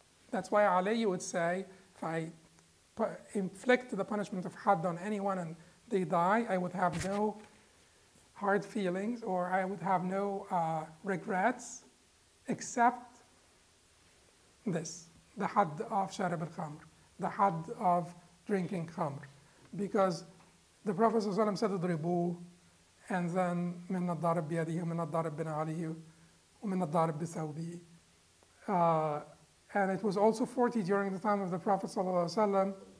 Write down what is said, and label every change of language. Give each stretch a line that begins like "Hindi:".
English: That's why Ali would say, if I inflict the punishment of Hadd on anyone and they die, I would have no hard feelings, or I would have no regrets, except this, the had of sharab al-khamr, the had of drinking khamr. Because the Prophet ﷺ said, "Dribu,"
Arabic: And then من الضارب بيديه ومن الضارب بنعاليه ومن الضارب بثوبه.
English: And it was also 40 during the time of the Prophet صلى الله عليه وسلم.